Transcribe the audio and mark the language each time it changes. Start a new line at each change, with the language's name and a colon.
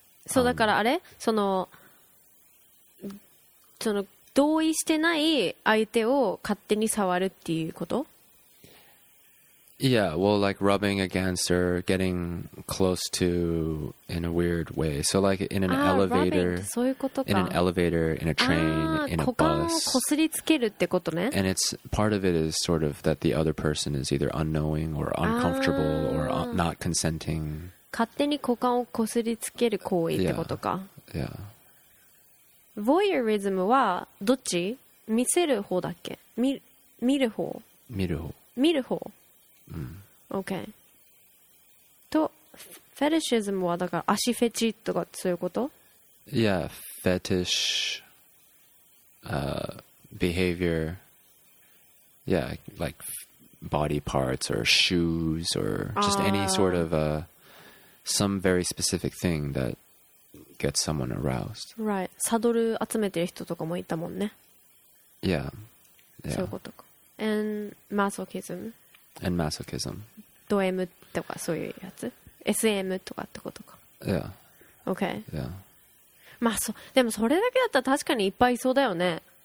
Japanese: So, だからあれ、その同意してない相手を勝手に触るっていうこと?
English: Yeah, well, like rubbing against or getting close to in a weird way. So, like in an elevator.
Japanese: Rubbing, そういうことか。
English: In an elevator, in a train, in a bus.
Japanese: 股間をこすりつけるってことね。
English: And it's part of it is sort of that the other person is either unknowing or uncomfortable or not consenting.
Japanese: 勝手に股間をこすりつける行為ってことか。
English: Yeah.
Japanese: Voyeurism はどっち?見せる方だっけ? 見る方? 見る方。見る方。うん、 OK とフェティシズムはだから足フェチとかそういうこと?
English: Yeah, fetish behavior. Yeah, like body parts or shoes or just any sort of some very specific thing that gets someone aroused. Right.
Japanese: サドル集めてる人とかもいたもんね。
English: Yeah. Yeah.
Japanese: そういうことか。
English: And masochism. And masochism.
Japanese: ド M とかそういうやつ。 SM とかってことか。
English: Yeah. Okay. Yeah.
Japanese: まあ、でもそれだけだったら確かにいっぱいいそうだよね。